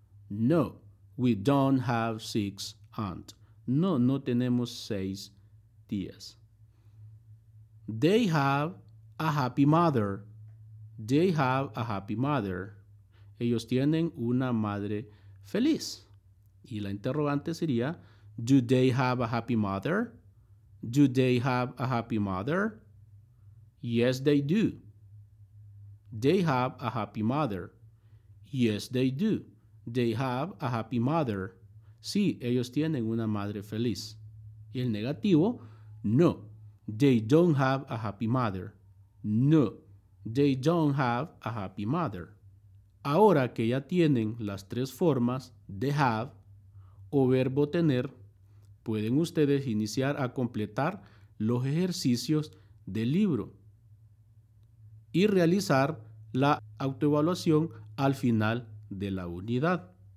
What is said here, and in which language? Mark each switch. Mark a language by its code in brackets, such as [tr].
[en] No, we don't have six aunts. [es] No, no tenemos seis tías. [en] They have a happy mother. They have a happy mother. [es] Ellos tienen una madre feliz. Y la interrogante sería, [en] do they have a happy mother? Do they have a happy mother? Yes, they do. They have a happy mother. Yes, they do. They have a happy mother. [es] Sí, ellos tienen una madre feliz. Y el negativo, [en] no, they don't have a happy mother. No, they don't have a happy mother. [es] Ahora que ya tienen las tres formas de have o verbo tener, pueden ustedes iniciar a completar los ejercicios del libro y realizar la autoevaluación al final de la unidad.